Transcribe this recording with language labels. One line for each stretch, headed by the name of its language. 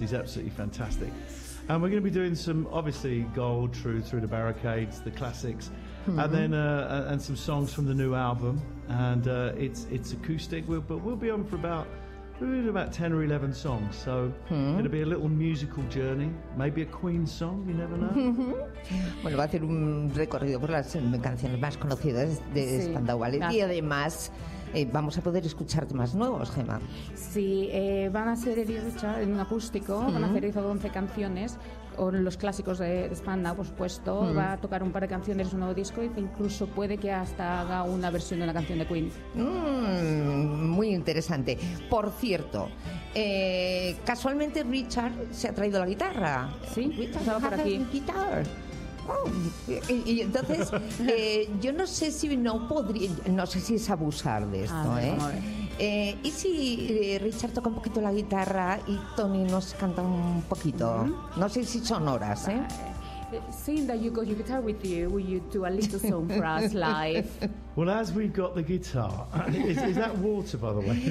English: He's absolutely fantastic. And we're going to be doing some, obviously, Gold, True, Through the Barricades, the classics, and then and some songs from the new album. And it's acoustic, but we'll be on for about 10 or 11 songs, so it'll be a little musical journey, maybe a Queen song, you never know.
Spanish: Bueno, va a hacer un recorrido por las canciones más conocidas de Spandau Ballet, y además vamos a poder escuchar temas nuevos, Gemma. Sí, van a ser Richard en un acústico, van a hacer 11 canciones, o los clásicos de Spandau, por supuesto. Va a tocar un par de canciones de su nuevo disco e incluso puede que hasta haga una versión de una canción de Queen. Muy interesante. Por cierto, casualmente Richard se ha traído la guitarra. Sí, Richard estaba por aquí.
English: Guitar.
Spanish: Oh, y entonces, yo no sé si no podría, no sé si es abusar de esto, ¿y si Richard toca un poquito la guitarra y Tony nos canta un poquito? No sé si son horas,
English: Seeing that you got your guitar with you, will you do a little song for us live? Well, as we got the guitar, is that water, by the way?